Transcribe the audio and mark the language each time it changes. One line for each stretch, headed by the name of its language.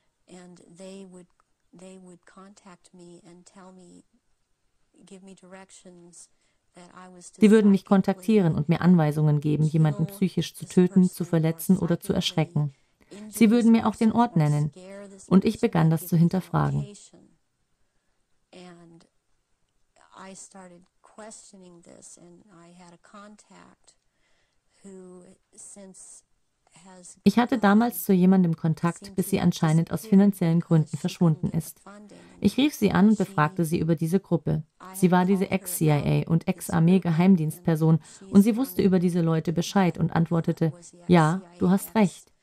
English: And they would contact me and tell me, give me directions that I was.
German: Sie würden mich kontaktieren und mir Anweisungen geben, jemanden psychisch zu töten, zu verletzen oder zu erschrecken. Sie würden mir auch den Ort nennen, und ich begann das zu hinterfragen.
English: And I started questioning this, and I had a contact who since.
German: Ich hatte damals zu jemandem Kontakt, bis sie anscheinend aus finanziellen Gründen verschwunden ist. Ich rief sie an und befragte sie über diese Gruppe. Sie war diese Ex-CIA und Ex-Armee-Geheimdienstperson, und sie wusste über diese Leute Bescheid und antwortete: Ja, du hast recht.